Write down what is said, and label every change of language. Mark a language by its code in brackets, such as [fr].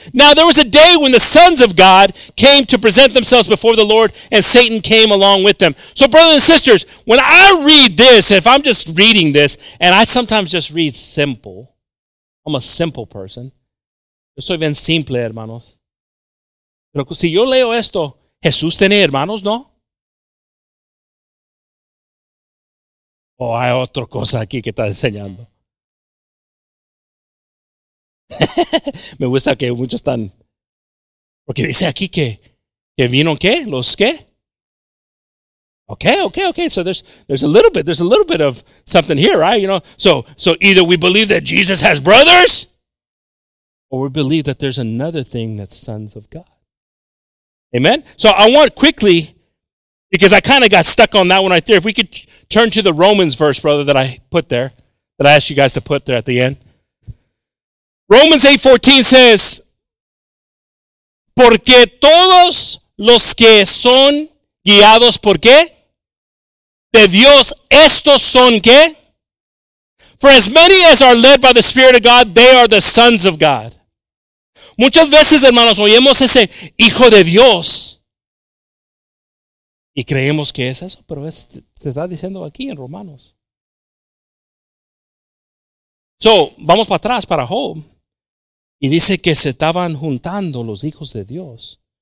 [en] Now, there was a day when the sons of God came to present themselves before the Lord, and Satan came along with them. So, brothers and sisters, when I read this, if I'm just reading this, and I sometimes just read simple, I'm a simple person. [es] Yo soy bien simple, hermanos. Pero si yo leo esto, Jesús tiene hermanos, ¿no? O hay otra cosa aquí que está enseñando. Me gusta que muchos están. Porque dice aquí que vino qué, los qué. [en] Okay. So there's a little bit of something here, right? You know, so either we believe that Jesus has brothers, or we believe that there's another thing that's sons of God. Amen? So I want quickly, because I kind of got stuck on that one right there. If we could turn to the Romans verse, brother, that I put there, that I asked you guys to put there at the end. Romans 8:14 says, [es] porque todos los que son guiados por qué? De Dios, estos son qué? [en] For as many as are led by the Spirit of God, they are the sons of God. [es] Muchas veces, hermanos, oímos ese hijo de Dios. Y creemos que es eso, pero es, se está diciendo aquí en Romanos. So, vamos para atrás, para Job. Y dice que se estaban juntando los hijos de Dios.